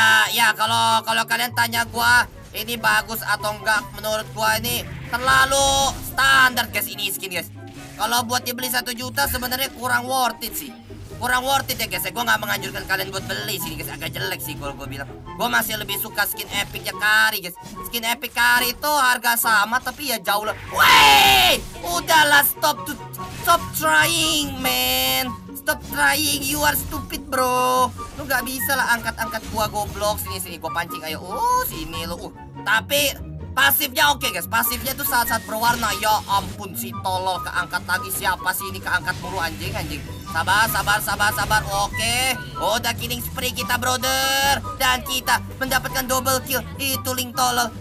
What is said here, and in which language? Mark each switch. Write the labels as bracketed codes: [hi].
[id] Ya kalau kalian tanya gua ini bagus atau enggak, menurut gua ini terlalu standar guys ini skin guys. Kalau buat dibeli 1 juta sebenarnya kurang worth it sih. Kurang worth it ya guys ya. Gue gak menganjurkan kalian buat beli sini guys. Agak jelek sih kalau gue bilang. Gue masih lebih suka skin epicnya Kari guys. Skin epic Kari itu harga sama tapi ya jauh lah. Wey! Udahlah [en] stop trying man. Stop trying, you are stupid bro. [id] Lu gak bisa lah angkat gue goblok. Sini gue pancing ayo. Sini lu. Tapi pasifnya oke guys. Pasifnya tuh saat-saat berwarna. Ya ampun si tolol keangkat lagi. Siapa sih ini keangkat buru anjing. Sabar. Oke. Udah killing spree kita, brother. Dan kita mendapatkan double kill. Itu link tolol.